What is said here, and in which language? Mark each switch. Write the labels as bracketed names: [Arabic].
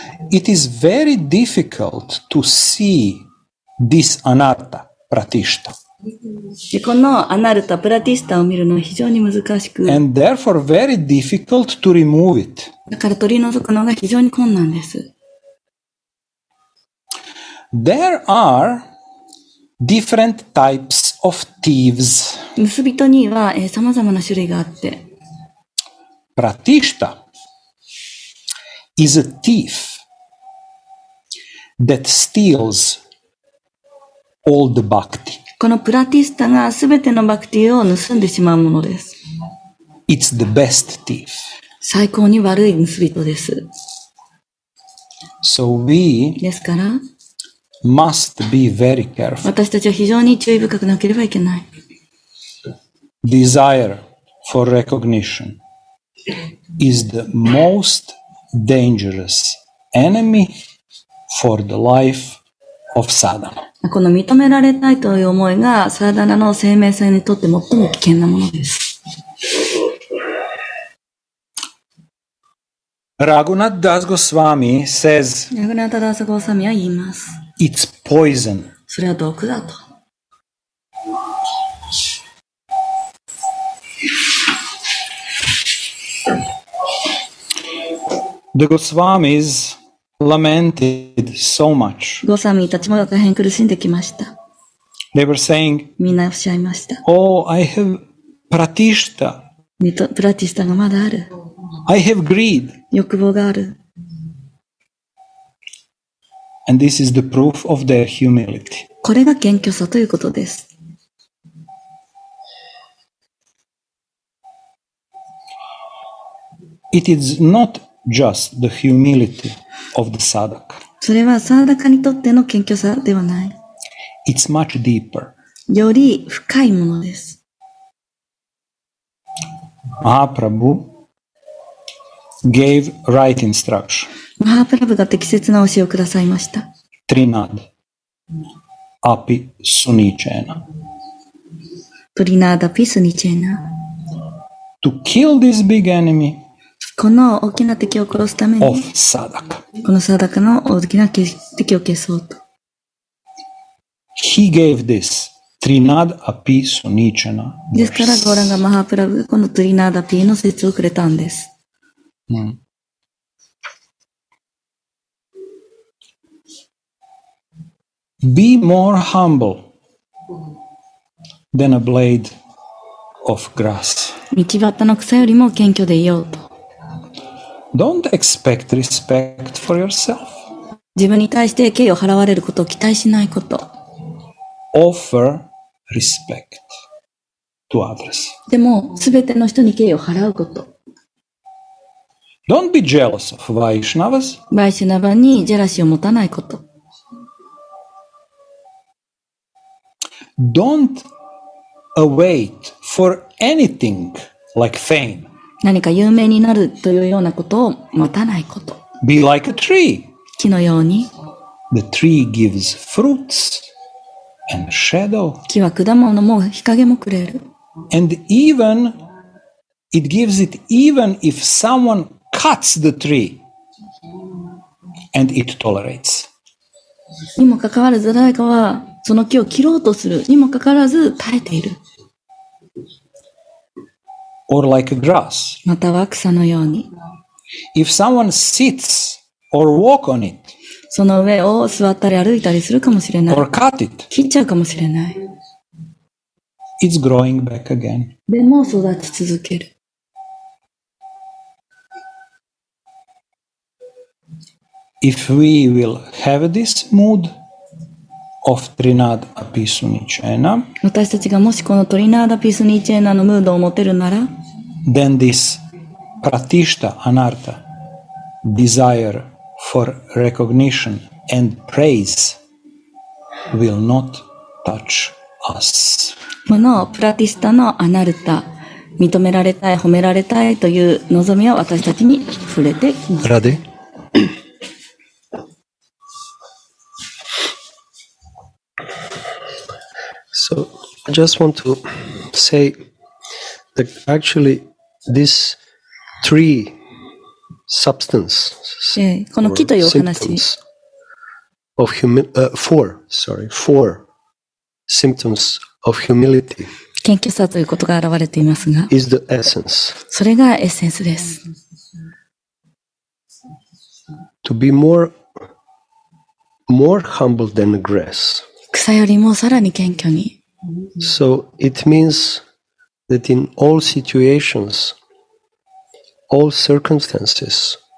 [English] It is very difficult to see this anatta, pratishta. [Japanese] このアナルタ、プラティスタを見るのは非常に難しく。 [English] And therefore very difficult to remove it. [Japanese] だから取り除くのが非常に困難です。 [English] There are different types of thieves. [Japanese] 盗人には、様々な種類があって。 [English] プラティシタ is a thief that steals all the bhakti. [Japanese] このプラティスタがすべてのバクティを盗んでしまうものです。 [English] It's the best thief. [Japanese] 最高に悪い盗人です。 [English] So we [Japanese] ですから、 [English] must be very careful. [Japanese] 私たちは非常に注意深くなければいけない。 [English] Desire for recognition is the most dangerous enemy for the life of sadhana. [Japanese] この認められたいという思いがサダナの生命線にとって最も危険なものです。 [English] Raghunath Das Goswami says. [Japanese] Raghunath Das Goswami は言います。 [English] It's poison. [Japanese] それは毒だと。 [English] The Goswamis lamented so much. [Japanese] Goswami たちも大変苦しんできました。 [English] They were saying, [Japanese] みんなおっしゃいました。 [English] Oh, I have pratishta. [Japanese] プラティシタがまだある。 [English] I have greed. [Japanese] 欲望がある。 [English] And this is the proof of their humility. [Japanese] これが謙虚さということです。 [English] It is not just the humility of the sadhak. [Japanese] それはサダカにとっての謙虚さではない。 [English] It's much deeper. [Japanese] より深いものです。 [English] マハプラブ gave right instruction. [Japanese] マハプラブが適切な教えをくださいました。 [Sanskrit] Trinad, api sunichena. Trinad api sunichena. [English] To kill this big enemy. [Japanese] この大きな敵を殺すために。 [English] Of sadhak. [Japanese] このサダカの大きな敵を消そうと。 [English] He gave this Trinad api sunichena. [Japanese] ですからゴーランがマハプラブこの Trinad api の説をくれたんです。 [English] Be more humble than a blade of grass. [Japanese] 道端の草よりも謙虚でいようと。 [English] Don't expect respect for yourself. [Japanese] 自分に対して敬意を払われることを期待しないこと。 [English] Offer respect to others. [Japanese] でも、すべての人に敬意を払うこと。 [English] Don't be jealous of Vaishnavas. [Japanese] バイシュナバにジェラシーを持たないこと。 [English] Don't await for anything like fame. [Japanese] 何か有名になるというようなことを待たないこと。 [English] Be like a tree. [Japanese] 木のように。 [English] The tree gives fruits and shadow. [Japanese] 木は果物も日陰もくれる。 [English] And even it gives it even if someone cuts the tree and it tolerates. [Japanese] にもかかわらず誰かはその木を切ろうとするにもかかわらず耐えている。 [English] Or like a grass. [Japanese] または草のように。 [English] If someone sits or walk on it. [Japanese] その上を座ったり歩いたりするかもしれない。 [English] Or cut it. [Japanese] 切っちゃうかもしれない。 [English] It's growing back again. [Japanese] でも育ち続ける。 [English] if we will have this mood of Trinad Apisunichena, [Japanese] 私たちがもしこのトリナダピスニチェナのムードを持てるなら、 [English] then this pratishta anartha desire for recognition and praise will not touch us. [Japanese] このプラティスタのアナルタ、認められたい、褒められたいという望みは私たちに触れてきます。ラデ。 [English] So, I just want to say that actually this three substances, [Japanese] この木というお話。 [English] Of four, sorry, four symptoms of humility. [Japanese] 謙虚さということが現れていますが、 [English] is the essence. [Japanese] それがエッセンスです。 [English] To be more humble than grass. [Japanese] 草よりもさらに謙虚に。 [English] So it means that in all situations, all circumstances.